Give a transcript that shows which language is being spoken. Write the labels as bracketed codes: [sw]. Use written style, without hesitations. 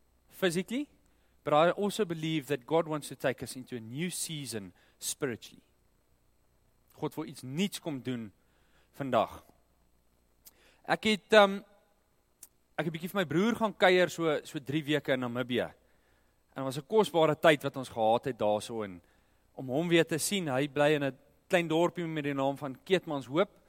[en] Physically, but I also believe that God wants to take us into a new season spiritually. [af] God wil iets nuuts kom doen vandag. Ek het 'n bietjie vir my broer gaan kuier so 3 weke in Namibia. En dit was 'n kosbare tyd wat ons gehad het daarso en om hom weer te sien. Hy bly in 'n klein dorpie met die naam van Keetmanshoop.